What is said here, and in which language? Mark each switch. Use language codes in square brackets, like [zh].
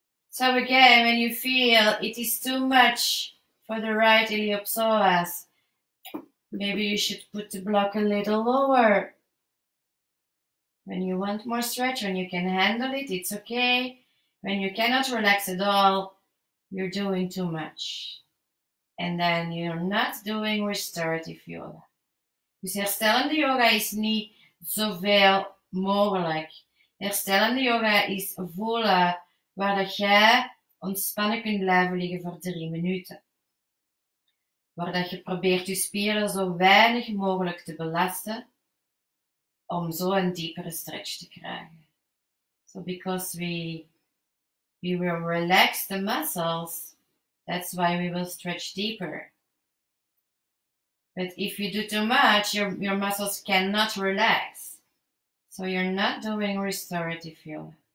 [en] So again, when you feel it is too much for the right iliopsoas, maybe you should put the block a little lower. When you want more stretch, when you can handle it, it's okay. When you cannot relax at all, you're doing too much. And then you're not doing restorative yoga. [nl] Dus herstellende yoga is niet zoveel mogelijk. Herstellende yoga is voelen waar dat jij ontspannen kunt blijven liggen voor 3 minuten. Waar dat je probeert je spieren zo weinig mogelijk te belasten om zo een diepere stretch te krijgen. [en] So because we will relax the muscles, that's why we will stretch deeper. But if you do too much, your muscles cannot relax. So you're not doing restorative yoga.